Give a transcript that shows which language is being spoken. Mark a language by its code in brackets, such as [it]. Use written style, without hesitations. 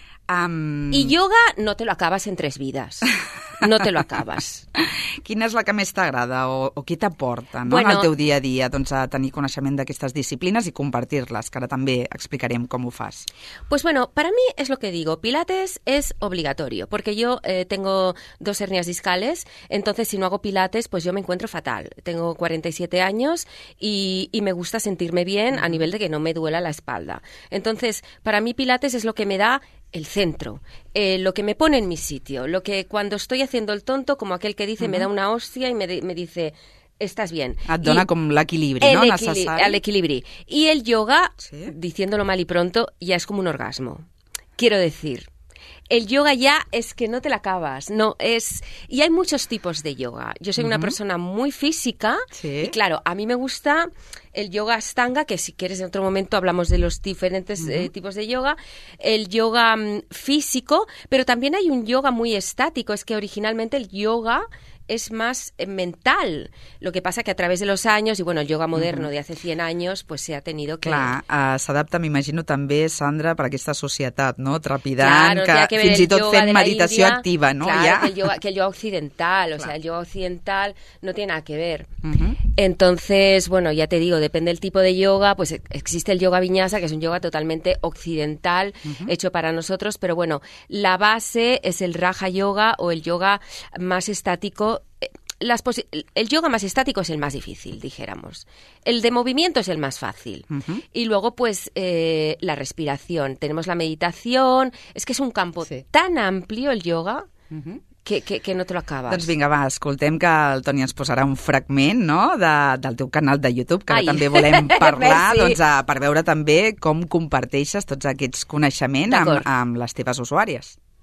[es] I yoga no te lo acabas en tres vides. No te lo acabes. [ca] Quina és la que més t'agrada o què t'aporta, no? Bueno, en el teu dia a dia, doncs, a tenir coneixement d'aquestes disciplines i compartir-les, que ara també explicarem com ho fas. [es] Pues bueno, para mí es lo que digo, pilates es obligatorio, porque yo tengo dos hernias discales, entonces si no hago pilates, pues yo me encuentro fatal. Tengo 47 años y me gusta sentirme bien a nivel de que no me duela la espalda. Entonces, para mí pilates es lo que me da el centro, lo que me pone en mi sitio, lo que cuando estoy haciendo el tonto, como aquel que dice, me da una hostia y me dice, estás bien. [ca] Et dona com l'equilibri, no? El equilibri. [es] Y el yoga, sí, diciéndolo mal y pronto, ya es como un orgasmo. Quiero decir, el yoga ya es que no te la acabas. No, es... Y hay muchos tipos de yoga. Yo soy una persona muy física, sí, y claro, a mí me gusta el yoga Ashtanga, que si quieres en otro momento hablamos de los diferentes tipos de yoga, el yoga físico, pero también hay un yoga muy estático. Es que originalmente el yoga es más mental. Lo que pasa que a través de los años, y bueno, el yoga moderno de hace 100 años, pues se ha tenido que... [ca] Clar, s'adapta, m'imagino, també, Sandra, per aquesta societat, no?, trepidant, claro, que fins i tot fent meditació activa, no? [es] Claro, ¿ya? Que el yoga occidental, o sea, el yoga occidental no tiene nada que ver. Entonces, bueno, ya te digo, depende del tipo de yoga, pues existe el yoga viñasa, que es un yoga totalmente occidental, hecho para nosotros, pero bueno, la base es el raja yoga o el yoga más estático. El yoga más estático es el más difícil, dijéramos. El de movimiento es el más fácil. Y luego, pues, la respiración. Tenemos la meditación. Es que es un campo tan amplio el yoga... Que no te lo acabes. [ca] Doncs vinga, va, escoltem que el Toni ens posarà un fragment, no?, del teu canal de YouTube, que ara també volem parlar, doncs, per veure també com comparteixes tots aquests coneixements amb les teves usuàries.